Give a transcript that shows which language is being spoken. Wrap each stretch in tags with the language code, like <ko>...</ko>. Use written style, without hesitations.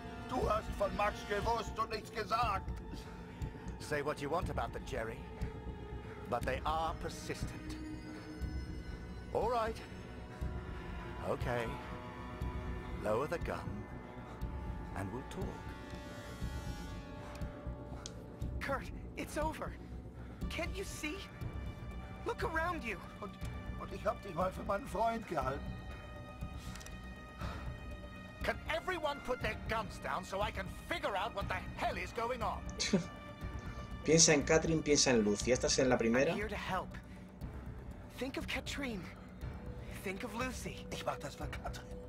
<de>Du hast von Max gewusst und nichts gesagt.</de> <en>Say what you want about the Jerry, but they are persistent. All right. Okay. Lower the gun, and we'll talk. Kurt, it's over. Can't you see? Look around you.</en> <de>Und ich hab dich mal für meinen Freund gehalten.</de> <en>Can everyone put their guns down so I can figure out what the hell is going on?</en> <es>Piensa en Catherine, piensa en Lucy. Estás en la primera.</es> <en>I'm here to help. Think of Catherine. Think of Lucy.</en> <de>Ich mach das für Catherine.</de>